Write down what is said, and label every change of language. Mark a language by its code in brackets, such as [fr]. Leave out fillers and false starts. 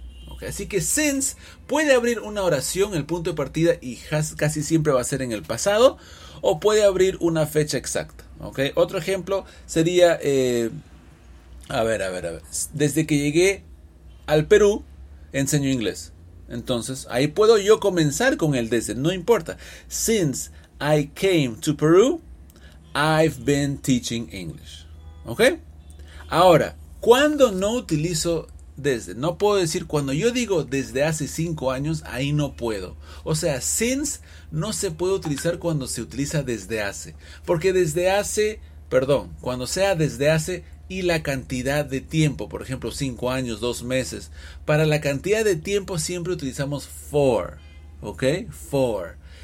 [es] Okay. Así que since puede abrir una oración, el punto de partida, y casi siempre va a ser en el pasado, o puede abrir una fecha exacta. Okay. Otro ejemplo sería, a ver, desde que llegué al Perú, enseño inglés. Entonces, ahí puedo yo comenzar con el desde, no importa. [en] Since I came to Peru, I've been teaching English. [es] Okay. Ahora, ¿cuándo no utilizo desde? No puedo decir, cuando yo digo desde hace 5 años, ahí no puedo. O sea, since no se puede utilizar cuando se utiliza desde hace. Porque desde hace, perdón, cuando sea desde hace y la cantidad de tiempo, por ejemplo, 5 años, 2 meses, para la cantidad de tiempo siempre utilizamos for. ¿Ok? For.